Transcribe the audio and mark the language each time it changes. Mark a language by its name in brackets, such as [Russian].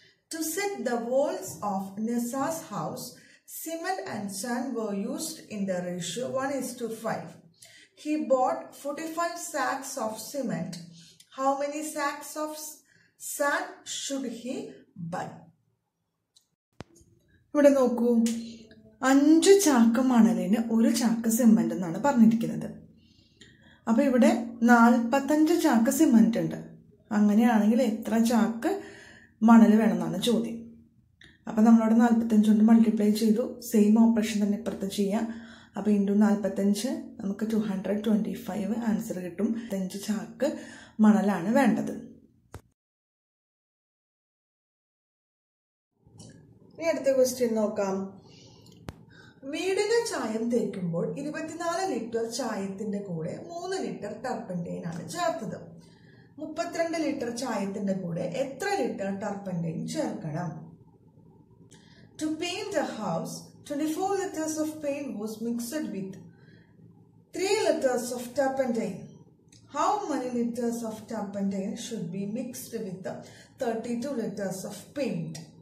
[English] To set the walls of Nisa's house Cement and sand were used in the ratio 1:5. He bought 45 sacks of cement. How many sacks of sand should he buy? [Malayalam] ഇവിടെ നോക്കൂ, 5 ചാക്ക് മണലിന് 1 ചാക്ക് cement എന്നാണ് പറഞ്ഞിരിക്കുന്നത്. അപ്പൊ ഇവിടെ 45 ചാക്ക് cement ഉണ്ട്. അങ്ങനെയാണെങ്കിൽ എത്ര ചാക്ക് മണൽ വേണമെന്നാണ് ചോദ്യം. അപ്പം നമ്മളവിടെ 45 കൊണ്ട് മൾട്ടിപ്ലൈ ചെയ്തു, സെയിം ഓപ്പറേഷൻ തന്നെ ഇപ്പുറത്ത് ചെയ്യാം. അപ്പം ഇൻ 45 നമുക്ക് 225 ആൻസർ കിട്ടും. 5 ചാക്ക് മണലാണ് വേണ്ടത്. ഇനി അടുത്ത ക്വസ്റ്റ്യൻ നോക്കാം. വീടിന് ചായം തേക്കുമ്പോൾ 24 ലിറ്റർ ചായത്തിൻ്റെ കൂടെ 3 ലിറ്റർ ടർപ്പൻറെയിൻ ആണ് ചേർത്തത്. 32 ലിറ്റർ ചായത്തിൻ്റെ കൂടെ എത്ര ലിറ്റർ ടർപ്പൻറെയിൻ ചേർക്കണം? [English] To paint a house, 24 liters of paint was mixed with 3 liters of turpentine. How many liters of turpentine should be mixed with the 32 liters of paint?